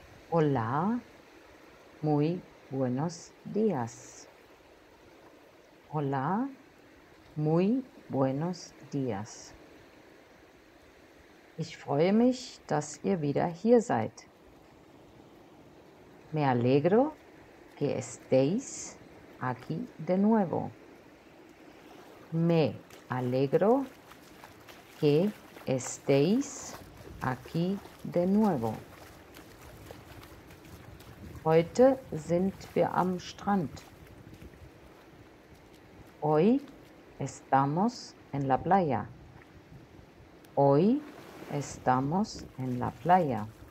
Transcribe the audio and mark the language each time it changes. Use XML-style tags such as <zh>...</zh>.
<es>Hola, muy buenos días. Hola, muy buenos días.</es> <de>Ich freue mich, dass ihr wieder hier seid.</de> <es>Me alegro que estéis aquí de nuevo. Me alegro que estéis aquí de nuevo.</es> <de>Heute sind wir am Strand.</de> <es>Hoy estamos en la playa. Hoy estamos en la playa.</es>